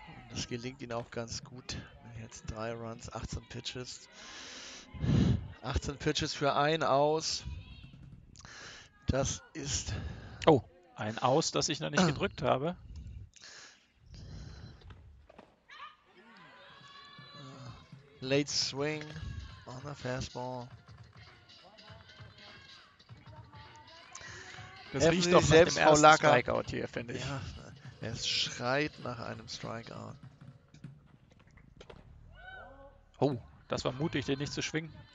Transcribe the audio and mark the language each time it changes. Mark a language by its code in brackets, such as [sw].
[de] Das gelingt ihnen auch ganz gut. Jetzt 3 Runs, 18 Pitches. 18 Pitches für ein Aus. Das ist... Oh, ein Aus, das ich noch nicht gedrückt habe. [en] Late swing on a fastball. [de] Das riecht doch nach dem ersten Strikeout hier, finde ich. Ja, es schreit nach einem Strikeout. Oh, das war mutig, den nicht zu schwingen.